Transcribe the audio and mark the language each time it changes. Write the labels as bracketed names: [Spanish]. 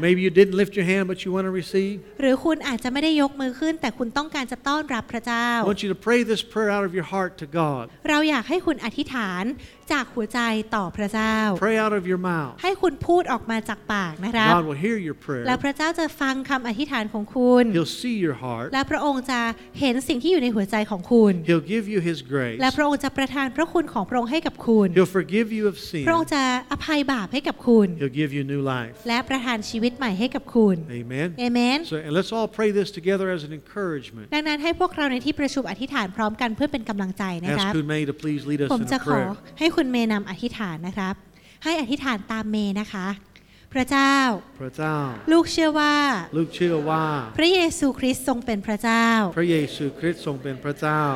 [English] Maybe you didn't lift your hand but you want to receive. [Thai] หรือคุณอาจจะไม่ได้ยกมือขึ้นแต่คุณต้องการจะต้อนรับพระเจ้า [English] I want you to pray this prayer out of your heart to God. [Thai] เราอยากให้คุณอธิษฐานจากหัวใจต่อพระเจ้า [English] Pray out of your mouth. [Thai] ให้คุณพูดออกมาจากปากนะครับ [English] God will hear your prayer. [Thai] แล้วพระเจ้าจะฟังคำอธิษฐานของคุณ [English] He'll see your heart. [Thai] และพระองค์จะเห็นสิ่งที่อยู่ในหัวใจของคุณ [English] He'll give you His grace. [Thai] และพระองค์จะประทานพระคุณของพระองค์ให้กับคุณ [English] He'll forgive you of sin. [Thai] พระองค์จะอภัยบาปให้กับคุณ [English] He'll give you new life. [Thai] และประทานชีวิตใหม่ให้กับคุณ [English] Amen. Amen. So and let's all pray this together as an encouragement. [Thai] ดังนั้นให้พวกเราในที่ประชุมอธิษฐานพร้อมกันเพื่อเป็นกำลังใจนะครับ [English] Ask Kun May to please lead us in prayer. [Thai] ผมจะขอให้คุณเมย์นำอธิษฐานนะครับให้อธิษฐานตามเมย์นะคะพระเจ้า พระเจ้า ลูกเชื่อว่า ลูกเชื่อว่า พระเยซูคริสต์ทรงเป็นพระเจ้า พระเยซูคริสต์ทรงเป็นพระเจ้า